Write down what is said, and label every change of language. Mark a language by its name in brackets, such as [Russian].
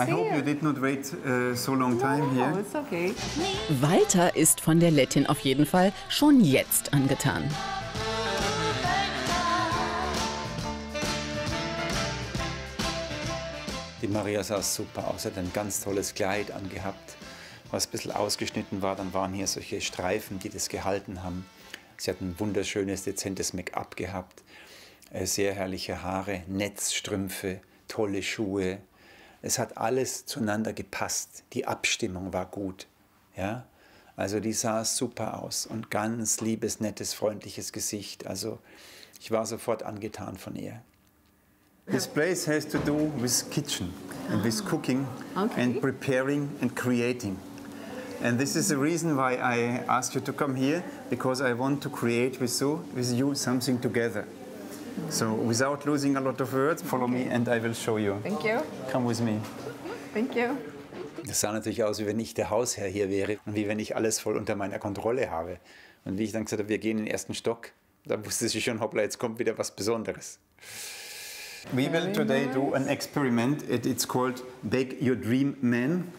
[English] you. I hope you did not wait so long time here. Oh, it's okay. [German] Walter ist von der Lettin auf jeden Fall schon jetzt angetan. Die Maria sah super aus. Sie hat ein ganz tolles Kleid angehabt, was ein bisschen ausgeschnitten war. Dann waren hier solche Streifen, die das gehalten haben. Sie hat ein wunderschönes, dezentes Make-up gehabt. Sehr herrliche Haare, Netzstrümpfe, tolle Schuhe. Es hat alles zueinander gepasst. Die Abstimmung war gut. Ja? Also die sah super aus. Und ganz liebes, nettes, freundliches Gesicht. Also ich war sofort angetan von ihr. [English] This place has to do with kitchen and with cooking and preparing and creating. And this is the reason why I asked you to come here, because I want to create with you something together. So, without losing a lot of words, follow me and I will show you. Thank you. Come with me. Thank you. [German] Das sah natürlich aus, wie wenn ich der Hausherr hier wäre und wie wenn ich alles voll unter meiner Kontrolle habe. Und wie ich dann gesagt habe, wir gehen in den ersten Stock, da wusste sie schon, hoppla, jetzt kommt wieder was Besonderes. [English] We will today do an experiment. It's called Bake Your Dream Man.